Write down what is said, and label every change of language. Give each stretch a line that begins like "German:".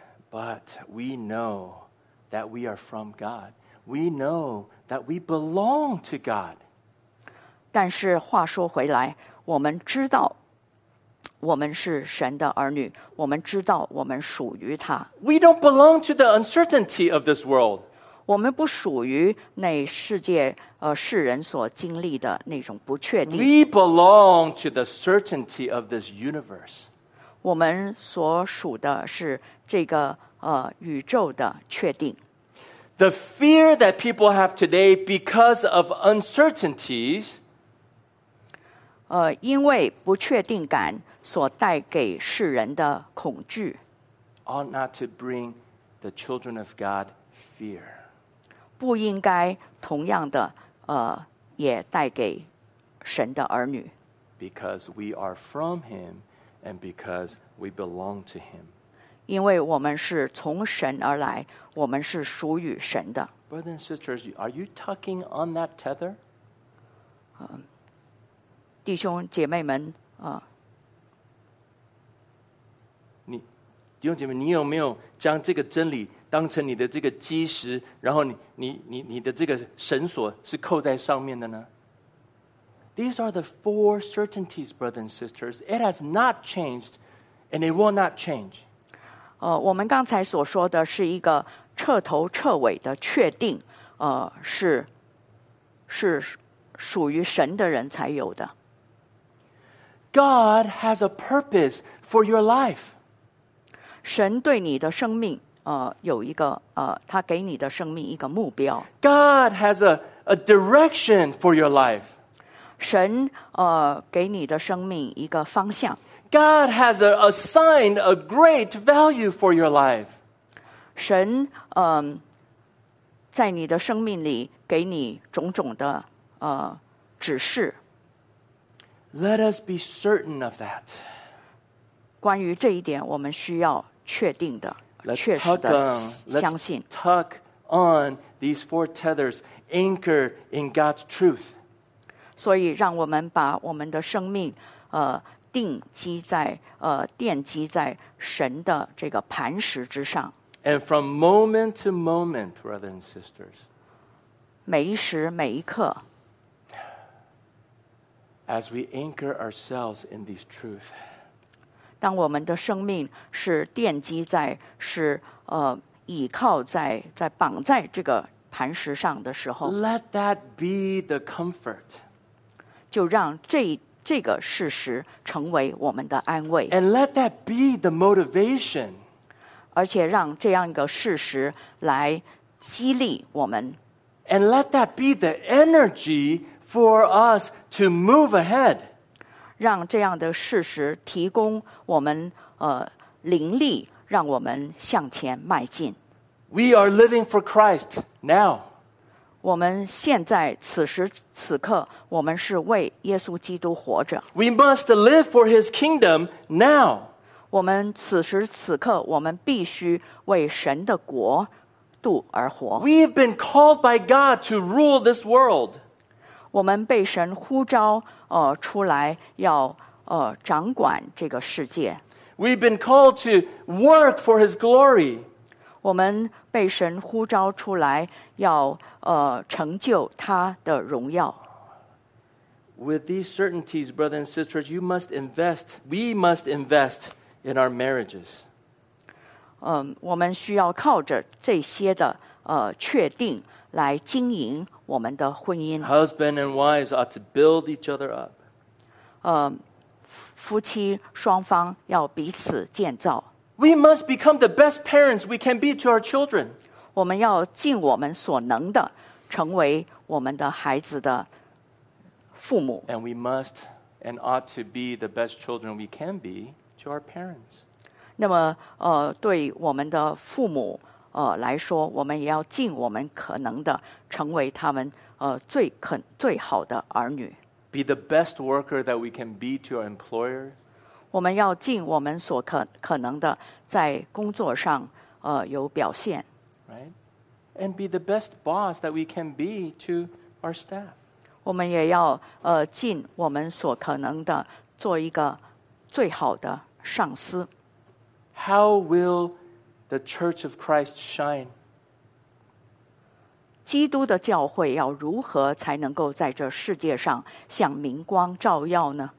English: But we know that we are from God. We know that we belong to God.
Chinese: 但是话说回来，我们知道我们是神的儿女，我们知道我们属于他。
English: We don't belong to the uncertainty of this world.
Chinese: 我们不属于那世界世人所经历的那种不确定。
English: We belong to the certainty of this universe.
Chinese: 我们所属的是这个宇宙的确定。
English: The fear that people have today because of uncertainties
Chinese: 因为不确定感所带给世人的恐惧
English: ought not to bring the children of God fear.
Chinese: 不应该同样的也带给神的儿女
English: because we are from Him and because we belong to Him.
Chinese: 因为我们是从神而来，我们是属于神的。
English: Brothers and sisters, are you tucking on that tether?
Chinese: 弟兄姐妹们弟兄姐妹，你有没有将这个真理当成你的这个基石，然后你的这个绳索是扣在上面的呢？
English: These are the four certainties, brothers and sisters. It has not changed, and it will not change.
Chinese: 我们刚才所说的是一个彻头彻尾的确定，是属于神的人才有的。
English: God has a purpose for your life.
Chinese: 神对你的生命有一个他给你的生命一个目标。
English: God has a direction for your life.
Chinese: 神给你的生命一个方向。
English: God has assigned a great value for your life.
Chinese: 神在你的生命里给你种种的指示。
English: Let us be certain of that.
Chinese: 关于这一点，我们需要确定的、确实的相信。
English: Let's tuck on these four tethers, anchor in God's truth.
Chinese: 所以，让我们把我们的生命奠基在神的这个磐石之上。
English: And from moment to moment, brothers and sisters,
Chinese: 每一时每一刻
English: as we anchor ourselves in these truth,
Chinese: 当我们的生命是奠基在是倚靠在绑在这个磐石上的时候
English: let that be the comfort,
Chinese: 就让这个事实成为我们的安慰
English: and let that be the motivation,
Chinese: 而且让这样一个事实来激励我们
English: And let that be the energy for us to move ahead.
Chinese: 让这样的事实提供我们灵力让我们向前迈进
English: We are living for Christ now.
Chinese: 我们现在此时此刻我们是为耶稣基督活着
English: We must live for his kingdom now.
Chinese: 我们此时此刻，我们必须为神的国度而活。
English: We've been called by God to rule this world.
Chinese: 我们被神呼召出来要掌管这个世界。
English: We've been called to work for his glory.
Chinese: 我们被神呼召出来要成就他的荣耀。
English: With these certainties, brothers and sisters, you must invest, we must invest. In our marriages,
Chinese: 我们需要靠着这些的确定来经营我们的婚姻。
English: Husband and wives ought to build each other up.
Chinese: 夫妻双方要彼此建造。
English: We must become the best parents we can be to our children.
Chinese: 我们要尽我们所能的成为我们的孩子的父母。
English: And we must and ought to be the best children we can be. To our parents.
Chinese: 那么对我们的父母来说我们也要尽我们可能的成为他们最好的儿女。
English: Be the best worker that we can be to our employer.
Chinese: 我们要尽我们所可能的在工作上有表现。
English: Right? And be the best boss that we can be to our staff.
Chinese: 我们也要尽我们所可能的做一个最好的上司。
English: How will the Church of Christ shine?
Chinese: 基督的教会要如何才能够在这世界上像明光照耀呢？